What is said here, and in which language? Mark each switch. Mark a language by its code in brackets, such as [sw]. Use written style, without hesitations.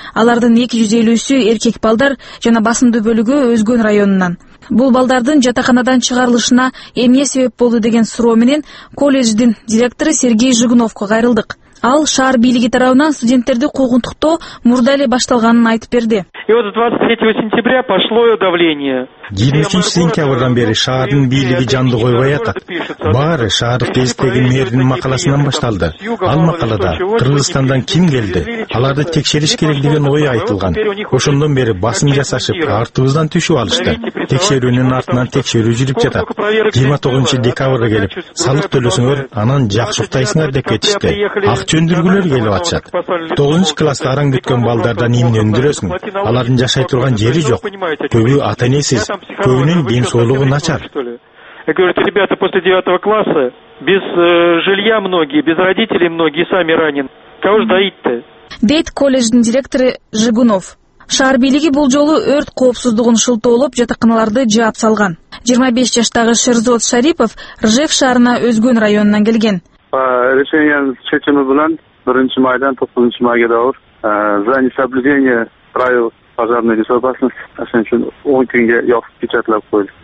[ky] Алардын 250 эркек балдар жана басымдуу бөлүгү өзгөн районунан. Бул балдардын жатаканадан чыгарылышына эмне себеп болду деген суроо менен колледждин директору Сергей Жигуновко кайрылдык. Ал шаар бийлиги тарабынан студенттерди куугунтуктоо мурда эле башталганын айтып берди. [ru] И вот 23 сентября пошло давление. [ky] 23 сентябрдан бери шаардын бийлиги жанды койбой атат. Баары шаардык гезиттеги мэрдин макаласынан башталды. Ал макалада Кыргызстандан ким келди, аларды текшериш керек деген ой айтылган. Ошондон бери басым жасашып, артыбыздан түшүп алышты. Текшерүүнүн артынан текшерүү жүрүп жатат. 29 декабрга келип, салык төлөсөңөр, анан жакшыктайсыңар деп кетишти. Ак чөндүргүлөр келип атышат. 9 класста араң күткөн балдардан эмне өндүрөсүң? Алардын жашай турган жери жок. Көбү ата-энесиз. Көбүнүн ден соолугу начар. [ru] Говорит, ребята после 9 класса без жилья многие, без родителей многие сами ранен. Кого ж доить-то? [ky] Дейт колледждин директору Жигунов. Шаар бийлиги бул жолу өрт коопсуздугун шылтоолоп жатаканаларды жаап салган. 25 жаштагы Шерзот Шарипов Ржев шаарына өзгөн районунан келген. [ru] По решению [ky] чечими менен 1 майдан 9 майга дагы [ru] за несоблюдение правил пожарной безопасности, [ky] а шунчун 10 күнгө жоп кечатлап койду.